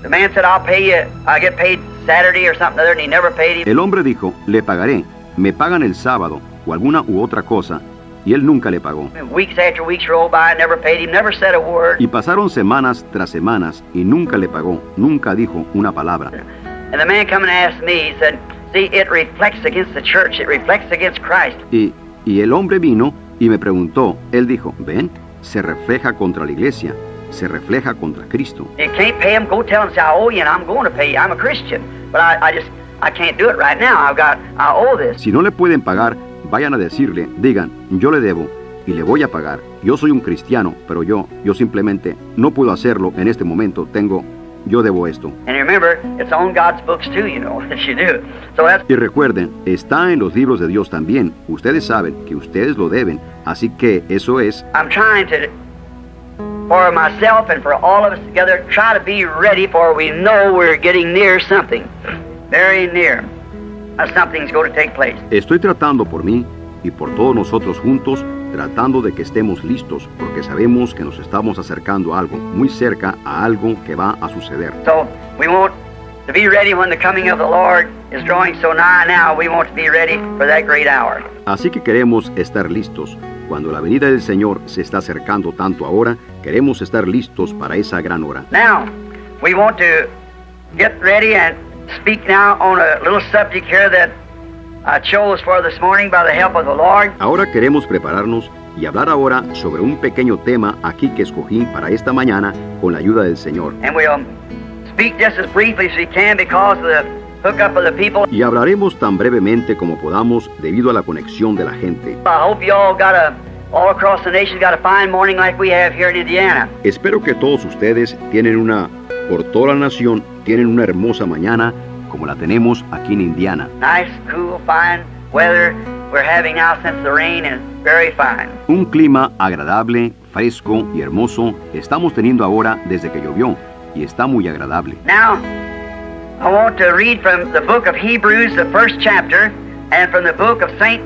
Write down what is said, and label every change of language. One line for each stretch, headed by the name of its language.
English: The man said, I'll pay you. I get paid Saturday or something other, and he never paid him.
Spanish: El hombre dijo, le pagaré. Me pagan el sábado o alguna u otra cosa y él nunca le pagó.
English: Weeks after weeks rolled by, never paid him, never said a word.
Spanish: Y pasaron semanas tras semanas y nunca le pagó, nunca dijo una palabra.
English: And the man come and asked me, he said, see, it reflects against the church, it reflects against Christ.
Spanish: Y el hombre vino y me preguntó, él dijo, ven, se refleja contra la iglesia, se refleja contra Cristo.
English: You can't pay him, go tell him, say, I owe you and I'm going to pay you, I'm a Christian. But I can't do it right now, I owe this.
Spanish: Si no le pueden pagar, vayan a decirle, digan, yo le debo y le voy a pagar. Yo soy un cristiano, pero yo simplemente no puedo hacerlo en este momento, yo debo esto.
English: And remember, it's on God's books too, you know, that you do. So that's...
Spanish: Y recuerden, está en los libros de Dios también. Ustedes saben que ustedes lo deben. Así que eso es...
English: I'm trying to, for myself and for all of us together, try to be ready for we know we're getting near something. Very near. Something's going to take place.
Spanish: Estoy tratando por mí y por todos nosotros juntos, tratando de que estemos listos, porque sabemos que nos estamos acercando a algo, muy cerca a algo que va a suceder.
English: So, we want to be ready when the coming of the Lord is drawing so nigh now, we want to be ready for that great hour.
Spanish: Así que queremos estar listos. Cuando la venida del Señor se está acercando tanto ahora, queremos estar listos para esa gran hora.
English: Now, we want to get ready and speak now on a little subject here that I chose for this morning by the help of the Lord.
Spanish: Ahora queremos prepararnos y hablar ahora sobre un pequeño tema aquí que escogí para esta mañana con la ayuda del Señor.
English: And we'll speak just as briefly as we can because of the hookup of the people.
Spanish: Y hablaremos tan brevemente como podamos debido a la conexión de la gente.
English: I hope you all got a all across the nation got a fine morning like we have here in Indiana.
Spanish: Espero que todos ustedes tienen una por toda la nación tienen una hermosa mañana como la tenemos aquí en Indiana.
English: Nice, cool, fine weather we're having now since the rain is very fine.
Spanish: Un clima agradable, fresco y hermoso estamos teniendo ahora desde que llovió y está muy agradable.
English: Now, I want to read from the book of Hebrews, the first chapter, and from the book of St.